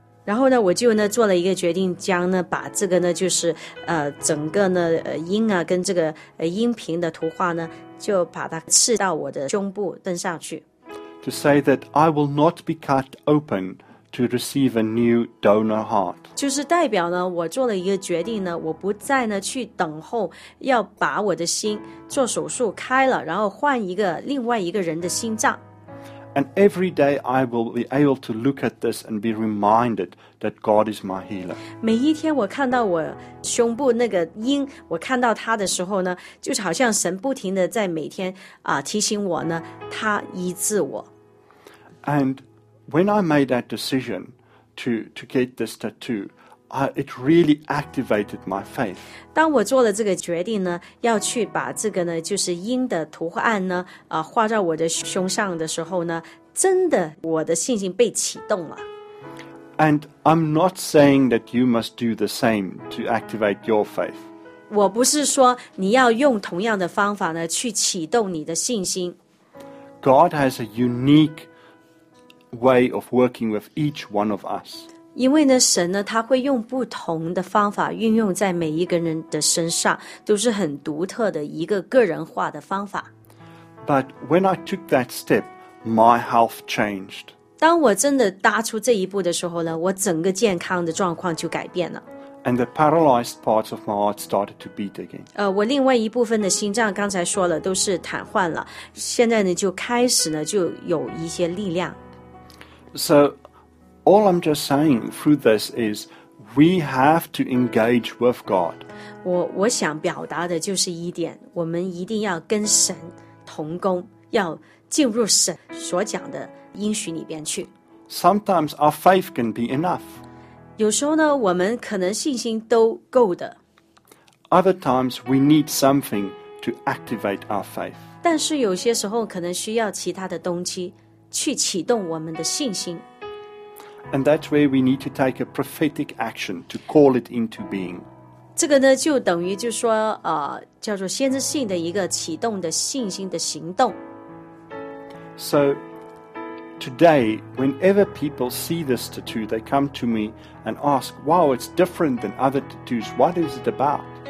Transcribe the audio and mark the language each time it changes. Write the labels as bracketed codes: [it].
[zh] 然后呢，我就呢做了一个决定，将呢把这个呢就是整个呢音啊跟这个音频的图画呢，就把它刺到我的胸部登上去。 [en] To say that I will not be cut open to receive a new donor heart. [zh] 就是代表呢，我做了一个决定呢，我不再呢去等候要把我的心做手术开了，然后换一个另外一个人的心脏。 [en] And every day I will be able to look at this and be reminded that God is my healer. [zh] 每一天我看到我胸部那个音，我看到它的时候呢，就好像神不停的在每天提醒我呢，他医治我。 [en] And when I made that decision to get this tattoo, it really activated my faith. [zh] 当我做了这个决定呢，要去把这个呢，就是鹰的图案呢，画在我的胸上的时候呢，真的我的信心被启动了。 [en] And I'm not saying that you must do the same to activate your faith. [zh] 我不是说你要用同样的方法呢，去启动你的信心。 [en] God has a unique way of working with each one of us. [zh] 因为呢，神呢，他会用不同的方法运用在每一个人的身上，都是很独特的一个个人化的方法。 [en] But when I took that step, my health changed. [zh] 当我真的踏出这一步的时候呢，我整个健康的状况就改变了。 [en] And the paralyzed parts of my heart started to beat again. [zh] 我另外一部分的心脏刚才说了都是瘫痪了，现在呢就开始呢就有一些力量。 [en] So, all I'm just saying through this is we have to engage with God. [zh] 我想表达的就是一点，我们一定要跟神同工，要进入神所讲的应许里边去。 [en] Sometimes our faith can be enough. [zh] 有时候呢，我们可能信心都够的。 [en] Other times we need something to activate our faith. [zh] 但是有些时候可能需要其他的东西。去启动我们的信心。 [en] And that's where we need to take a prophetic action to call it into being. [zh] 这个呢就等于就说叫做先知性的一个启动的信心的行动。 [en] So, today, whenever people see this tattoo, they come to me and ask, wow, it's different than other tattoos. What is it about?